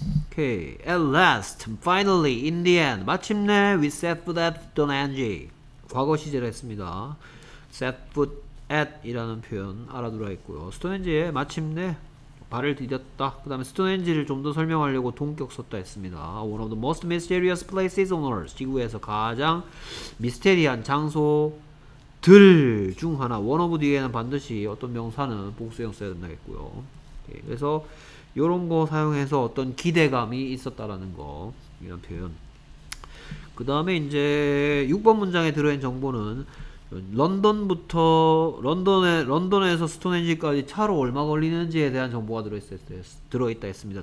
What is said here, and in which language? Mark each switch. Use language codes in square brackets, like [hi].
[en] Okay. At last, finally, in the end. [ko] 마침내 [en] we set foot at Donghae. [ko] 과거 시제를 했습니다. Set foot at 이라는 표현 알아두라 했고요. 스톤헨지에 마침내 발을 디뎠다. 그 다음에 스톤헨지를 좀더 설명하려고 동격 썼다 했습니다. [en] One of the most mysterious places on Earth. [ko] 지구에서 가장 미스테리한 장소 들중 하나, one of 뒤에는 반드시 어떤 명사는 복수형 써야 된다겠고요. 예, 그래서 요런 거 사용해서 어떤 기대감이 있었다라는 거, 이런 표현. 그 다음에 이제 6번 문장에 들어있는 정보는 런던부터 런던에 런던에서 스톤헨지까지 차로 얼마 걸리는지에 대한 정보가 들어있다 했습니다.